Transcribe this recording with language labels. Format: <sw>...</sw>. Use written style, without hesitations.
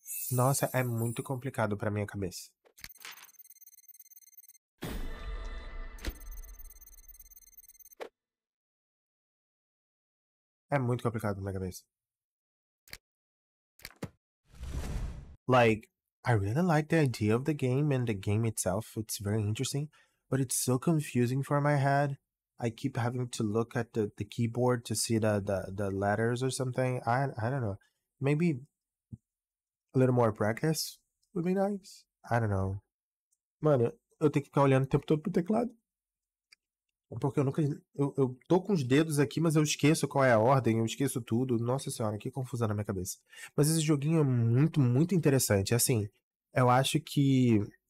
<pt>Nossa, é muito complicado pra minha cabeça. É muito complicado pra minha cabeça.</pt> <en>Like. I really like the idea of the game and the game itself. It's very interesting, but it's so confusing for my head. I keep having to look at the keyboard to see the letters or something. I don't know. Maybe a little more practice would be nice. I don't know.</en> <pt>Mano, eu tenho que ficar olhando o tempo todo pro teclado. Porque eu nunca... Eu tô com os dedos aqui, mas eu esqueço qual é a ordem, eu esqueço tudo. Nossa senhora, que confusão na minha cabeça. Mas esse joguinho é muito, muito interessante. Assim, eu acho que</pt>